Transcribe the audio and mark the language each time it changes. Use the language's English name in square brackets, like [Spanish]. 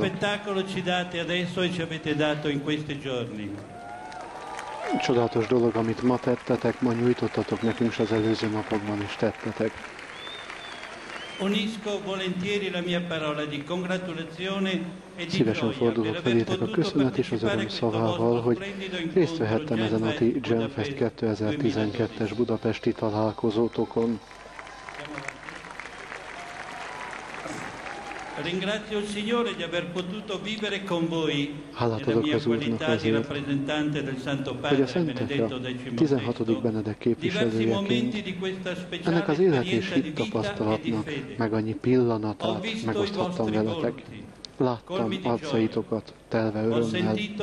[Italian] che spettacolo ci date adesso e ci avete dato in questi giorni. [Hungarian] Csodálatos dolog, amit ma tettetek, ma nyújtottatok nekünk, s az előző napokban is tettetek. [Italian] Unisco volentieri la mia parola di congratulazione e di [Hungarian] szívesen fordulok felétek a köszönet és az öröm szavával, hogy részt vehettem ezen a ti Jamfest 2012-es budapesti találkozótokon. [Italian] Ringrazio il Signore di aver potuto vivere con voi nella mia qualità di rappresentante del Santo Padre Benedetto XVI. Diversi momenti di questa speciale esperienza di vita e di fede. [Hungarian] Meg annyi pillanatát megosztottam veletek. Láttam arcaitokat telve örömmel.